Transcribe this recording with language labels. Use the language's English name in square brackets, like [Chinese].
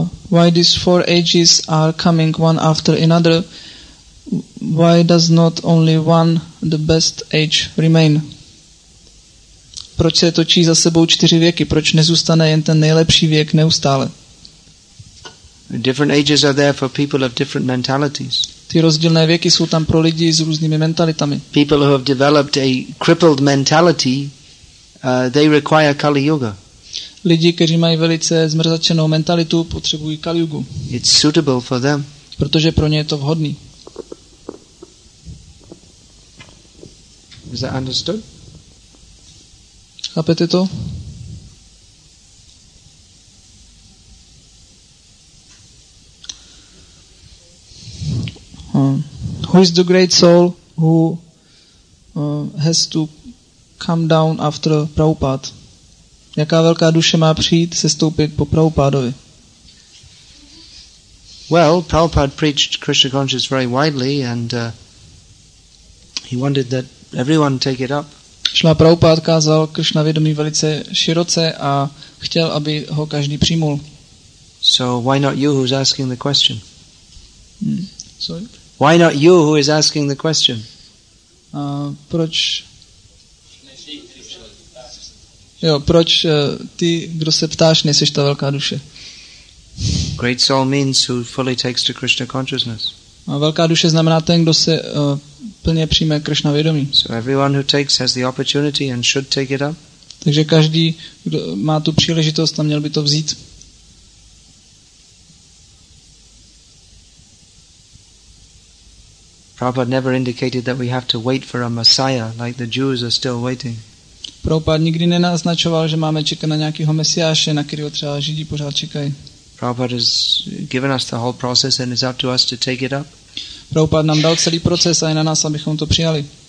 [English] Why these four ages are coming one after another? Why does not only one, the best age, remain? [Czech] Proč se točí za sebou čtyři věky? Proč nezůstane jen ten nejlepší věk neustále? [English] Different ages are there for people of different mentalities. [Czech] Ty rozdílné věky jsou tam pro lidi s různými mentalitami. [English] People who have developed a crippled mentality, they require Kali Yuga. [Czech] Lidi, kteří mají velice zmrzačenou mentalitu, potřebují Kaliugu. [English] It's suitable for them. [Czech] Protože pro ně je to vhodný. [English] Is that understood? [Czech] Chápete to? [English] Who is the great soul who has to come down after Prabhupada? [Czech] Jaká velká duše má přijít sestoupit po Prabhupádovi? [English] Well, Prabhupada preached Krishna consciousness very widely and he wanted that everyone take it up. [Czech] Šla Prabhupada kázal Krishna vědomí velice široce a chtěl, aby ho každý přijmul. [English] So why not you who's asking the question? Sorry. Why not you who is asking the question? [Czech] Proč? Jo, proč ty, kdo se ptáš, nejseš ta velká duše? [English] Great soul means who fully takes to Krishna consciousness. [Czech] A velká duše znamená ten, kdo se plně přijme Krishna vědomí. [English] So everyone who takes has the opportunity and should take it up. [Czech] Takže každý, kdo má tu příležitost, tam měl by to vzít. [English] Prabhupada never indicated that we have to wait for a messiah, like the Jews are still waiting. [Czech] Prabhupada nikdy nenaznačoval, že máme čekat na nějakého mesiáše, na kterého třeba Židi pořád čekají. [English] Prabhupada has given us the whole process and it's up to us to take it up. [Czech] Prabhupada nám dal celý proces a je na nás, abychom to přijali.